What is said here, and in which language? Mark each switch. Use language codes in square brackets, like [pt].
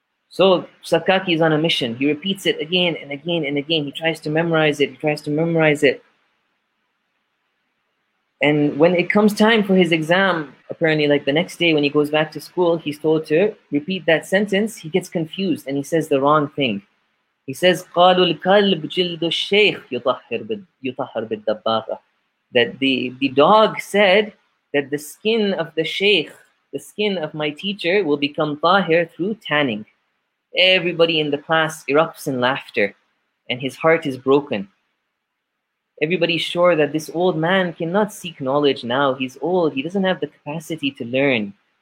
[en] So Sakkaki is on a mission. He repeats it again and again and again. He tries to memorize it. And when it comes time for his exam, apparently like the next day when he goes back to school, he's told to repeat that sentence. He gets confused and he says the wrong thing. [ar] He says, قَالُ الْكَلْبُ جِلْدُ الشَّيْخِ يُطَحَّرْ بِالدَّبَّاغَ. [en] That the dog said that the skin of the sheikh, the skin of my teacher, will become tahir through tanning. Everybody in the class erupts in laughter, and his heart is broken. Everybody's sure that this old man cannot seek knowledge now. He's old. He doesn't have the capacity to learn.